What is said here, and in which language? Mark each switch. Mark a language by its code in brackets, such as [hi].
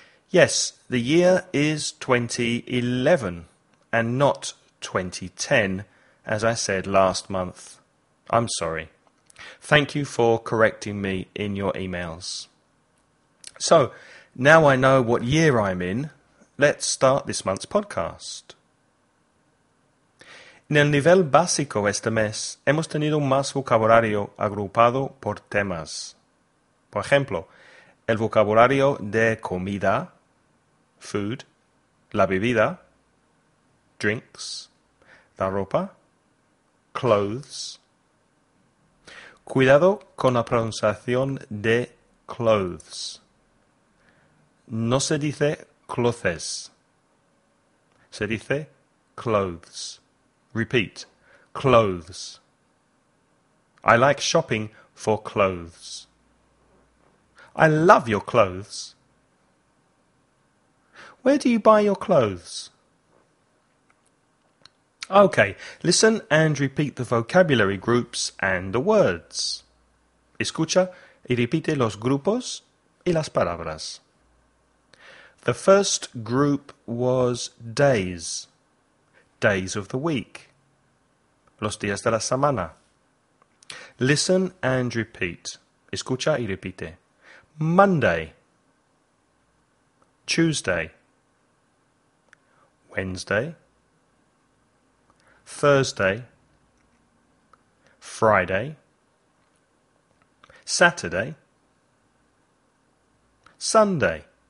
[en] Yes, the year is 2011 and not 2010, as I said last month. I'm sorry. Thank you for correcting me in your emails. So, now I know what year I'm in, let's start this month's podcast. [es] En el nivel básico este mes, hemos tenido más vocabulario agrupado por temas. Por ejemplo, el vocabulario de comida, food, la bebida, drinks, la ropa, clothes. Cuidado con la pronunciación de clothes. No se dice clothes. Se dice clothes. Repeat. Clothes. [en] I like shopping for clothes. I love your clothes. Where do you buy your clothes? Okay, listen and repeat the vocabulary groups and the words. [es] Escucha y repite los grupos y las palabras. [en] The first group was days, days of the week, [es] los días de la semana. [en] Listen and repeat. [es] Escucha y repite. [en] Monday, Tuesday, Wednesday, Thursday, Friday, Saturday, Sunday.